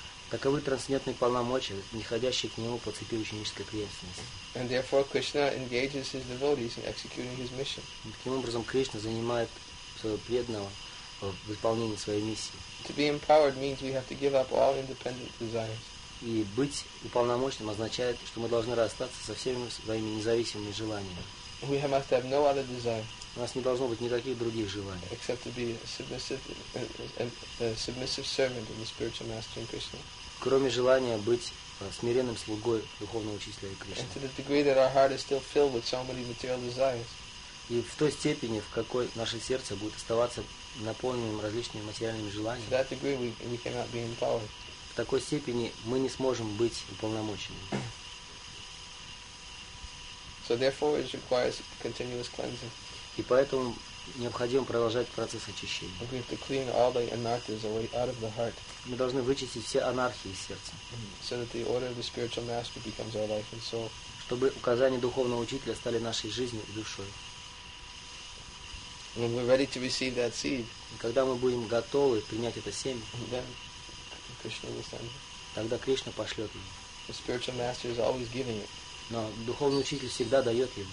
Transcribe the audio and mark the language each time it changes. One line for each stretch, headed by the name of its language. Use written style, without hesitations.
Russian: Таковы трансцендентные полномочия, неходящие к нему по цепи ученической преемственности.
English: And therefore Krishna engages his devotees in executing his mission.
Russian: Таким образом Кришна занимает своего преданного в исполнении своей миссии.
English: To be empowered means we have to give up all independent desires.
Russian: И быть уполномоченным означает, что мы должны расстаться со всеми своими независимыми желаниями.
English: We must have no other desire.
Russian: У нас не должно быть никаких других желаний.
English: Except to be a submissive servant of the spiritual master in Krishna.
Russian: Кроме желания быть смиренным слугой духовного учителя Кришны.
English: And to the degree that our heart is still filled with so many material desires.
Russian: И в той степени, в какой наше сердце будет оставаться наполненным различными материальными желаниями,
English: that degree we cannot be empowered.
Russian: В такой степени мы не сможем быть уполномоченными.
English: So therefore it requires continuous cleansing.
Russian: И поэтому необходимо продолжать процесс очищения.
English: We have to clean all the anarthas away out of the heart.
Russian: Мы должны вычистить все анархии из сердца.
English: So that the order of the spiritual master becomes our life and soul.
Russian: Чтобы указания духовного учителя стали нашей жизнью и душой.
English: When we're ready to receive that seed,
Russian: когда мы будем готовы принять это семя,
English: then Krishna will send it.
Russian: Тогда Кришна пошлет его.
English: The spiritual master is always giving it.
Russian: Но духовный учитель всегда дает его.